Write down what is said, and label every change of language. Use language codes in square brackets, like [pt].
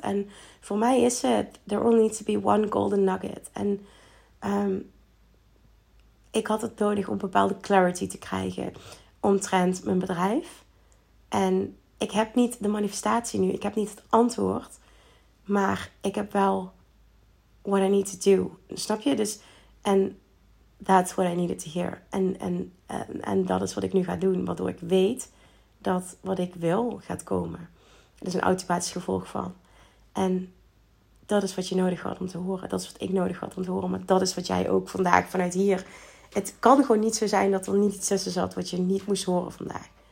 [nl] En voor mij is het, [en] there only needs to be one golden nugget. [nl] En ik had het nodig om bepaalde clarity te krijgen omtrent mijn bedrijf. En ik heb niet de manifestatie nu. Ik heb niet het antwoord. Maar ik heb wel [en] what I need to do. [nl] Snap je? Dus en [en] that's what I needed to hear. [nl] En dat is wat ik nu ga doen. Waardoor ik weet dat wat ik wil gaat komen. Dat is een automatisch gevolg van. En dat is wat je nodig had om te horen. Dat is wat ik nodig had om te horen. Maar dat is wat jij ook vandaag vanuit hier. Het kan gewoon niet zo zijn dat er niet iets tussen zat wat je niet moest horen vandaag.